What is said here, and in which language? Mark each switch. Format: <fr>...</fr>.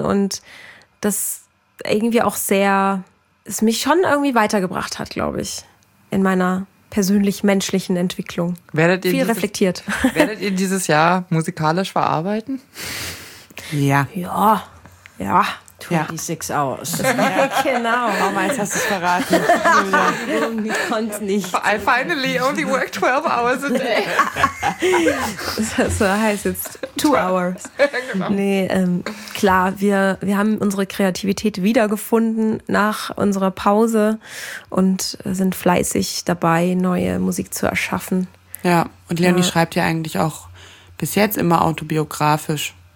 <de>Und das irgendwie auch sehr, es mich schon irgendwie weitergebracht hat, glaube ich, in meiner persönlich-menschlichen Entwicklung. Reflektiert. Werdet ihr dieses Jahr musikalisch verarbeiten? Ja. Ja. Ja. 26 ja. Hours. Genau. Mama, jetzt hast du es verraten. Ich konnte nicht.</de> <en>I finally only work 12 hours a day.</en> <de>So heißt es. 2 hours. Genau. Nee, klar, wir haben unsere Kreativität wiedergefunden nach unserer Pause und sind fleißig dabei, neue Musik zu erschaffen. Ja, und Leonie schreibt ja eigentlich auch bis jetzt immer autobiografisch.</de>